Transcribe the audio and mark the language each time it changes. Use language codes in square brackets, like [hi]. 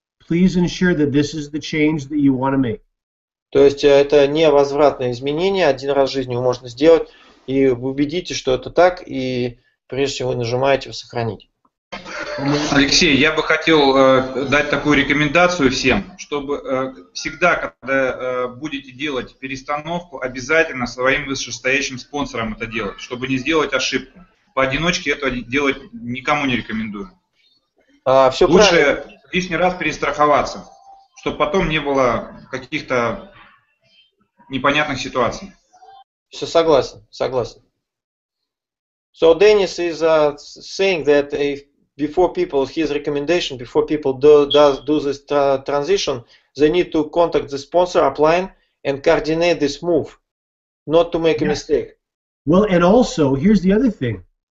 [en] Please ensure that this is the change that you want to make. [ru] То есть это невозвратное изменение, один раз в жизни его можно сделать, и убедитесь, что это так, и прежде чем вы нажимаете «Сохранить». Алексей, я бы хотел дать такую рекомендацию всем, чтобы всегда, когда будете делать перестановку, обязательно своим вышестоящим спонсором это делать, чтобы не сделать ошибку. Поодиночке это делать никому не рекомендую. Все лучше правильно. Лишний раз перестраховаться, чтобы потом не было каких-то непонятных ситуаций. Все, согласен. [en] So Dennis is saying that if before people, his recommendation, before people do this transition, they need to contact the sponsor upline and coordinate this move, not to make a mistake. Well, and also, here's the other thing.